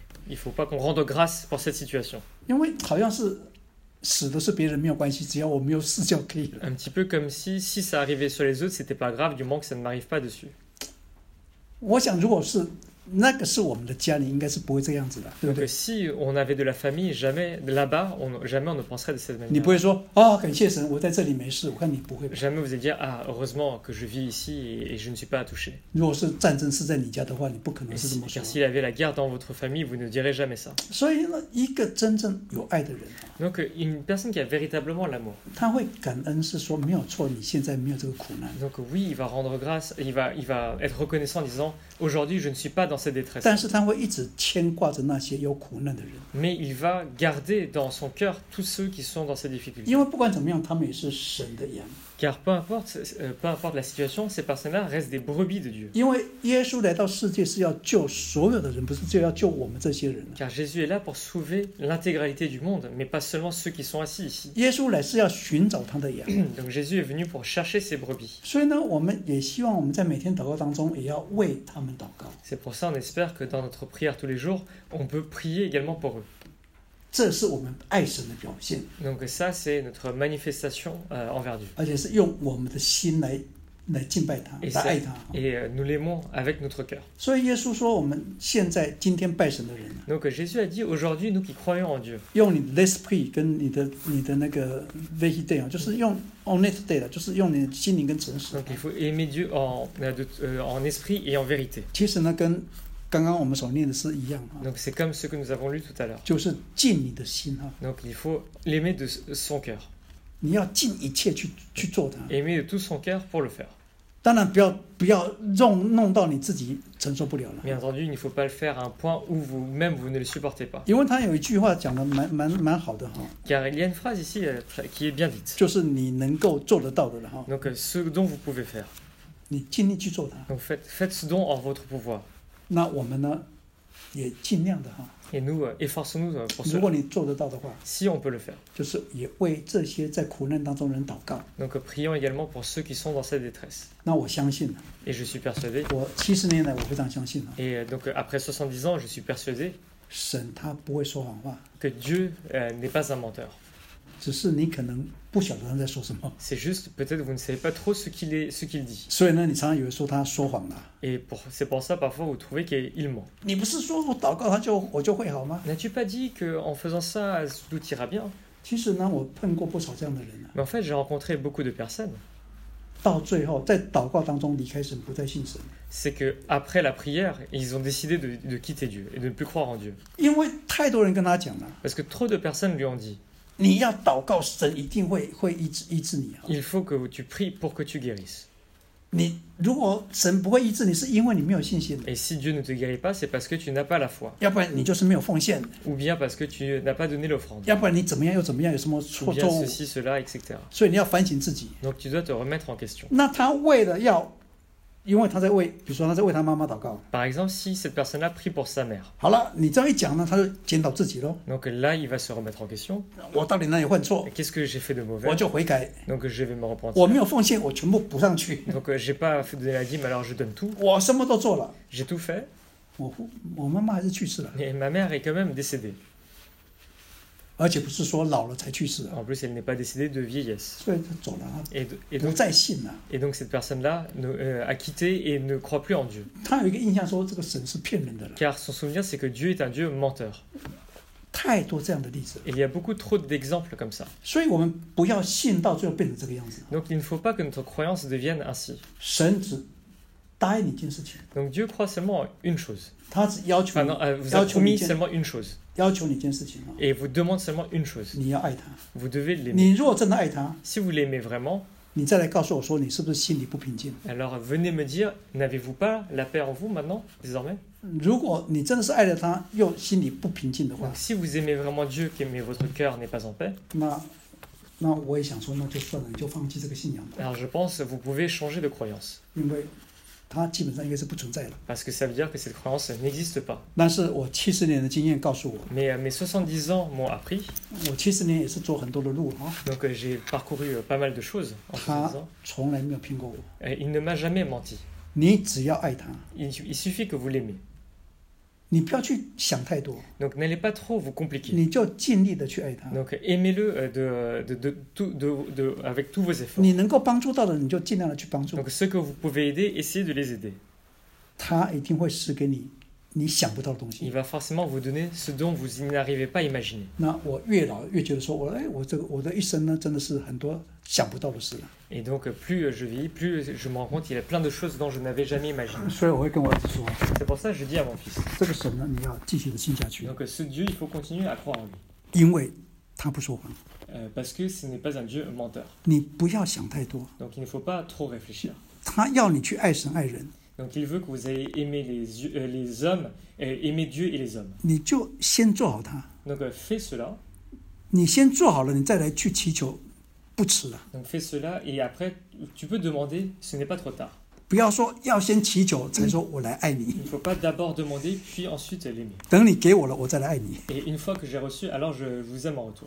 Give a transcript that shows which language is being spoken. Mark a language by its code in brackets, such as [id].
[fr] Il faut pas qu'on rende grâce pour cette situation. [zh] 因为好像是死的是别人没有关系，只要我没有事就可以了。 [fr] Un petit peu comme si ça arrivait sur les autres, c'était pas grave, du moins que ça ne m'arrive pas dessus. [zh] 我想，如果是那个是我们的家里，应该是不会这样子的，对不对 [fr] ？Donc, si on avait de la famille, jamais là-bas, jamais on ne penserait de cette manière. [zh] 你不会说啊、哦，感谢神，我在这里没事。我看你不会。 [fr] Jamais vous allez dire, ah, heureusement que je vis ici et je ne suis pas touché. [zh] 如果是战争是在你家的话，你不可能是这么说。 [fr] Car s'il y avait la guerre dans votre famille, vous ne direz jamais ça. [zh] 所以呢，一个真正有爱的人 [fr] ，Donc une personne qui a véritablement l'amour, [zh] 他会感恩，是说没有错，你现在没有这个苦难。 [fr] Donc oui, il va rendre grâce, il va être reconnaissant, disant, aujourd'hui, je ne suis pas dans cette détresse. [zh] 但是他会一直牵挂着那些有苦难的人。 [fr] Mais il va garder dans son cœur tous ceux qui sont dans cette difficulté. [zh] 因为不管怎么样，他们也是神的羊。 [fr] Car peu importe la situation, ces personnes-là restent des brebis de Dieu. [zh] 因为耶稣来到世界是要救所有的人，不是就要救我们这些人。 [fr] Car Jésus est là pour sauver l'intégralité du monde, mais pas seulement ceux qui sont assis ici. [zh] 耶稣来是要寻找他的羊。 [fr] Donc Jésus est venu pour chercher ses brebis. [zh] 所以呢，我们也希望我们在每天祷告当中也要为他们祷告。 [fr] C'est pour ça qu'on espère que dans notre prière tous les jours, on peut prier également pour eux. [zh] 这是我们爱神的表现。 [fr] Donc ça c'est notre manifestation envers Dieu. [zh] 而且是用我们的心来敬拜他，来爱他。 [fr] Et nous l'aimons avec notre cœur. [zh] 所以耶稣说，我们现在今天拜神的人。 [fr] Donc Jésus a dit aujourd'hui nous qui croyons en Dieu. [zh] 用你的 l'esprit 跟你的那个 vérité 就是用 honnêteté 就是用你的心灵跟诚实。 [fr] Donc il faut aimer Dieu en esprit et en vérité. [zh] 其实呢跟刚刚我们所念的是一样啊。 [fr] Donc c'est comme ce que nous avons lu tout à l'heure. [zh] 就是尽你的心啊。 [fr] Donc il faut l'aimer de son cœur. [zh] 你要尽一切去做它。 [fr] Aimer de tout son cœur pour le faire. [zh] 当然不要弄到你自己承受不了了。 [fr] Bien entendu, il ne faut pas le faire à un point où vous ne le supportez pas. [zh] 因为他有一句话讲的蛮好的哈。 [fr] Car il y a une phrase ici qui est bien dite. [zh] 就是你能够做得到的了哈。 [fr] Donc ce dont vous pouvez faire. [zh] 你尽力去做它。 [fr] Donc faites ce dont en votre pouvoir. [zh] 那我们呢，也尽量的哈。 [fr] Et nous efforçons-nous pour cela. [zh] 如果你做得到的话 [fr] ，Si on peut le faire， [zh] 就是也为这些在苦难当中人祷告。 [fr] Donc prions également pour ceux qui sont dans cette détresse. [zh] 那我相信。 [fr] Et je suis persuadé. [zh] 我七十年来我非常相信。 [fr] Et donc après 70 ans, je suis persuadé. [zh] 神他不会说谎话。 [fr] Que Dieu n'est pas un menteur. [zh] 只是你可能不晓得他在说什么。 [fr] C'est juste peut-être vous ne savez pas trop ce qu'il dit. [zh] 所以呢，你常常以为说他说谎了。 [fr] Et pour, c'est pour ça parfois vous trouvez qu'il ment. [zh] 你不是说我祷告他就我就会好吗 [fr] ？N'as-tu pas dit que en faisant ça tout ira bien？ [zh] 其实呢，我碰过不少这样的人呢。 [fr] Mais en fait, j'ai rencontré beaucoup de personnes。 [zh] 到最后，在祷告当中离开神，不再信神。 [fr] C'est que après la prière, ils ont décidé de quitter Dieu et de ne plus croire en Dieu. [zh] 因为太多人跟他讲了。 [fr] Parce que trop de personnes lui ont dit。 [zh] 你要祷告，神一定会医治你。 [fr] Il faut que tu pries pour que tu guérisses。 [zh] 你如果神不会医治你，是因为你没有信心。 [fr] Et si Dieu ne te guérit pas, c'est parce que tu n'as pas la foi。 [zh] 要不然你就是没有奉献。 [fr] Ou bien parce que tu n'as pas donné l'offrande。 [zh] 要不然你怎么样又怎么样，有什么错 [fr] 误？Ou bien ceci, cela, etc. [zh] 所以你要反省自己。 [fr] Donc tu dois te remettre en question。 [zh] 那他为了要。因为他在为，比如说他在为他妈妈祷告。 [fr] Par exemple, si cette personne-là prie pour sa mère. [zh] 好了，你这样一讲呢，他就检讨自己喽。 [fr] Donc là, il va se remettre en question. [zh] 我到底哪里犯错 [fr] ？Qu'est-ce que j'ai fait de mauvais？ [zh] 我就悔改。 [fr] Donc je vais me repentir. [zh] 我没有奉献，我全部补上去。 [fr] Donc j'ai pas fait de la dîme, alors je donne tout. [zh] 我什么都做了。 [fr] J'ai tout fait. [zh] 我妈妈还是去世了。 [fr] Mais ma mère est quand même décédée. [zh] 而且不是说老了才去世。 [fr] En plus, elle n'est pas décédée de vieillesse. [zh] 所以他走了。 [fr] Et donc, [zh] 不再信了。 [fr] Et donc cette personne-là a quitté et ne croit plus en Dieu. [zh] 他有一个印象说这个神是骗人的了。 [fr] Car son souvenir, c'est que Dieu est un Dieu menteur. [zh] 太多这样的例子。 [fr] Il y a beaucoup trop d'exemples comme ça. [zh] 所以我们不要信到最后变成这个样子。 [fr] Donc il ne faut pas que notre croyance devienne ainsi. [zh] 神只答应你一件事情。 [fr] Donc Dieu croit seulement une chose. [zh] 他只要求。 [fr] Vous a promis seulement une chose. [zh] 要求你一件事情、哦、 [fr] Et vous demande seulement une chose. [zh] 你要爱他。 [fr] Vous devez l'aimer. [zh] 你如果真的爱他。 [fr] Si vous l'aimez vraiment. [zh] 你再来告诉我说你是不是心里不平静。 [fr] Alors venez me dire, n'avez-vous pas la paix en vous maintenant, désormais? [zh] 如果你真的是爱了他又心里不平静的话。 [fr] Donc, si vous aimez vraiment Dieu, qu'aimez votre cœur n'est pas en paix. [zh] 那我也想说那就算了你就放弃这个信仰吧。 [fr] Alors je pense, vous pouvez changer de croyance. [zh] 因为它基本上应该是不存在的。 [fr] Parce que ça veut dire que cette croyance n'existe pas. [zh] 但是我七十年的经验告诉我。 [fr] Mais mes 70 ans m'ont appris. [zh] 我七十年也是走很多的路哈。 [fr] Donc j'ai parcouru pas mal de choses en 70 ans. [zh] 他从来没有骗过我。 [fr] Et il ne m'a jamais menti. [zh] 你只要爱他。 [fr] Il suffit que vous l'aimez. [zh] 你不要去想太多。 [fr] Donc n'allez pas trop vous compliquer. [zh] 你就尽力的去爱他。 [fr] Donc aimez-le de avec tous vos efforts. [zh] 你能够帮助到的，你就尽量的去帮助。 [fr] Donc ceux que vous pouvez aider, essayez de les aider. [zh] 他一定会施给你你想不到的东西。 [fr] Il va forcément vous donner ce dont vous n'arrivez pas à imaginer. [zh] 那我越老越觉得说，我的一生呢，真的是很多想不到的事。 [fr] Et donc plus je vis, plus je me rends compte, il y a plein de choses dont je n'avais jamais imaginé. [zh] 所以我会跟我儿子说。 [fr] C'est pour ça que je dis à mon fils. [zh] 这个神呢，你要继续的信下去。 [fr] Donc ce Dieu, il faut continuer à croire en lui. [zh] 因为他不说谎。 [fr] Parce que ce n'est pas un Dieu menteur. [zh] 你不要想太多。 [fr] Donc il ne faut pas trop réfléchir. [zh] 他要你去爱神爱人。 [fr] Donc il veut que vous ayez aimé les hommes, aimé Dieu et les hommes. [zh] 你就先做好他。 [fr] Donc fais cela. [zh] 你先做好了，你再来去祈求。不迟了。 [fr] Donc fais cela et après tu peux demander, ce n'est pas trop tard. [zh] 不要说要先祈求才说我来爱你。 [fr] Il ne faut pas d'abord demander puis ensuite l'aimer. [zh] 等你给我了，我再来爱你。 [fr] Et une fois que j'ai reçu, alors je vous aime en retour.